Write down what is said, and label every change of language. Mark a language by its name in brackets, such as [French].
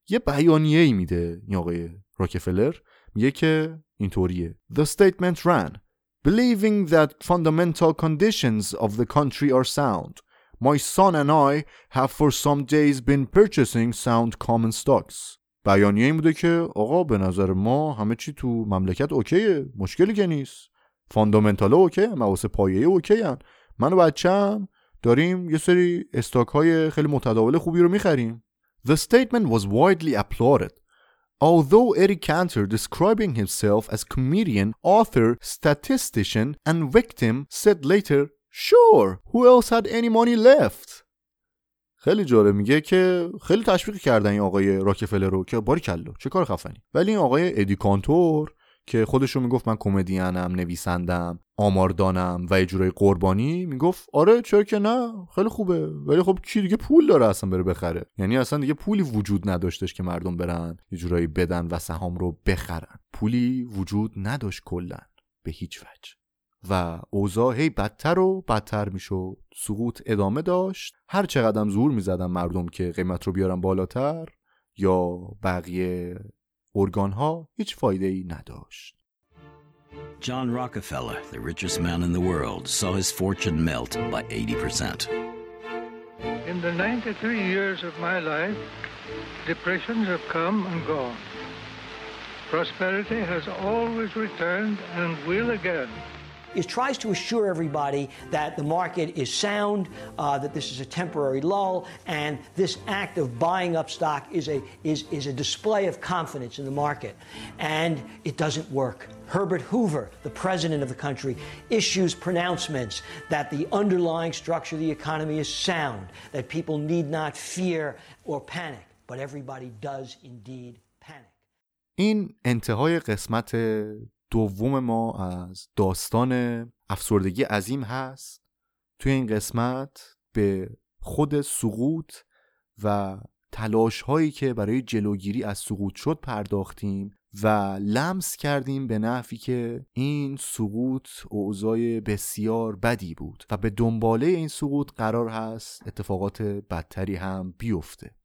[Persian] یه بیانیه ای میده این آقای راکفلر، میگه که اینطوریه: [English] The statement ran: Believing that fundamental conditions of the country are sound, my son and I have for some days been purchasing sound common stocks. [Persian] بیانیه این بوده که آقا به نظر ما همه چی تو مملکت اوکیه، مشکلی که نیست. فاندامنتال ها اوکیه، مواسه پایه اوکیه هن. من و بچه هم داریم یه سری استاک های خیلی متداول خوبی رو میخریم. [English] The statement was widely applauded. Although Eric Cantor, describing himself as comedian, author, statistician, and victim, said later, "Sure, who else had any money left?" [Persian] خیلی جالب، میگه که خیلی تشویق کردن این آقای راکفلر رو که باریکلا چه کار خفنی. ولی این آقای ادی کانتور که خودش رو میگفت من کمدینم، نویسندم، آماردانم و یه جورای قربانی، میگفت آره چرا که نه، خیلی خوبه، ولی خب کی دیگه پول داره اصلا بره بخره؟ یعنی اصلا دیگه پولی وجود نداشتش که مردم برن یه جورایی بدن و سهام رو بخرن. پولی وجود نداشت کلن به هیچ وجه. و اوضاع هی بدتر و بدتر میشد، سقوط ادامه داشت، هر چقدر زور میزدن مردم که قیمت رو بیارن بالاتر یا بقیه ارگان ها، هیچ فایده ای نداشت. [English] John Rockefeller, the richest man in the world, saw his fortune melt by 80%. In the 93 years of my life, depressions have come and gone. Prosperity has always returned and will again. It tries to assure everybody that the market is sound, that this is a temporary lull, and this act of buying up stock is a display of confidence in the market. And it doesn't work. Herbert Hoover, the president of the country, issues pronouncements that the underlying structure of the economy is sound, that people need not fear or panic, but everybody does indeed panic. [Persian] این انتهای قسمت دوم ما از داستان افسردگی عظیم هست. توی این قسمت به خود سقوط و تلاش هایی که برای جلوگیری از سقوط شد پرداختیم و لمس کردیم به نحوی که این سقوط اوضاع بسیار بدی بود و به دنباله این سقوط قرار هست اتفاقات بدتری هم بیفته.